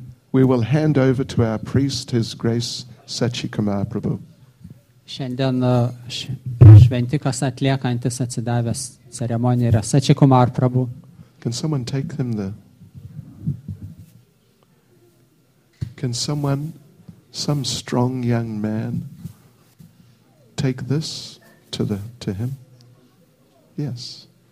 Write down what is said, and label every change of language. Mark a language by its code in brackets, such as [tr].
[en] We will hand over to our priest, His Grace Sachikumar Prabhu. [lt] Šiandien šventikas atliekantis atsidavęs ceremoniją yra Sachikumar Prabhu. [en] Can someone take them there? Can someone, some strong young man, take this to him? Yes.